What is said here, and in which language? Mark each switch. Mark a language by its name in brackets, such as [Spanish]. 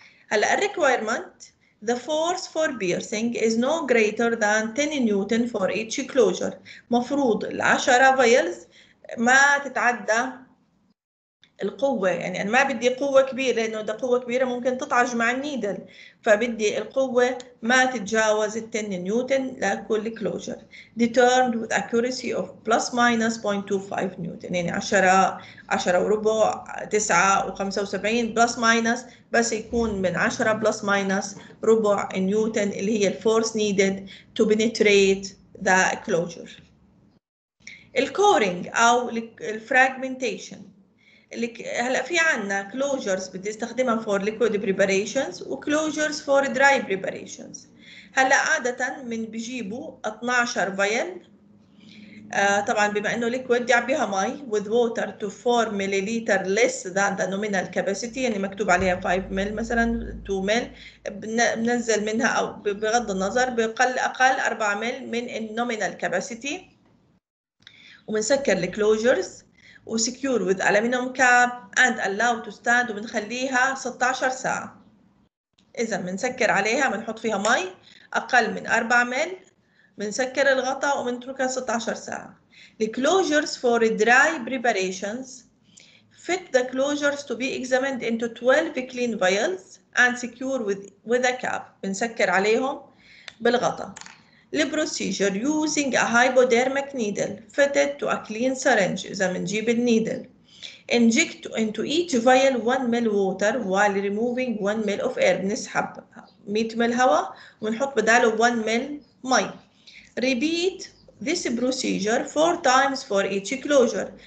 [Arabic] هلا الريكويرمنت، [English] the force for piercing is no greater than 10 newton for each closure, [Arabic] مفروض ال10 فايلز ما تتعدى القوة، يعني أنا ما بدي قوة كبيرة لأنه إذا قوة كبيرة ممكن تطعج مع النيدل، فبدي القوة ما تتجاوز 10 نيوتن لكل كلوجر. [English] Determined with accuracy of plus minus 0.25 [Arabic] نيوتن، يعني 10 وربع 9.75 [English] plus minus، [Arabic] بس يكون من 10 [English] plus minus [Arabic] ربع نيوتن اللي هي الفورس [English] needed to penetrate the closure. [Arabic] الكورينج أو الفراجمنتيشن، لك هلا في عنا closures بدي استخدمها [English] for liquid preparations [Arabic] و [English] closures for dry preparations. [Arabic] هلا عادة من بجيبوا 12 vial طبعا بما انه liquid يعبيها مي [English] with water to 4 milliliter less than the nominal capacity، [Arabic] يعني مكتوب عليها 5 مل مثلا 2 مل بنزل منها او بغض النظر بقل اقل 4 مل من النومينال capacity، وبنسكر الكلوجرز وسكيور [English] with aluminum cap and allow to stand [Arabic] وبنخليها 16 ساعة. إذا بنسكر عليها بنحط فيها مي أقل من 4 مل، بنسكر الغطاء وبنتركها 16 ساعة. [English] The closures for dry preparations fit the closures to be examined into 12 clean vials and secure with a cap. [Arabic] بنسكر عليهم بالغطاء. [English] The procedure using a hypodermic needle fitted to a clean syringe. [Arabic] إذا بنجيب النيدل. [English] Inject into each vial 1 ml water while removing 1 ml of air. [Arabic] بنسحب 100 ml هواء ونحط بداله 1 ml مي. [English] Repeat this procedure 4 times for each closure.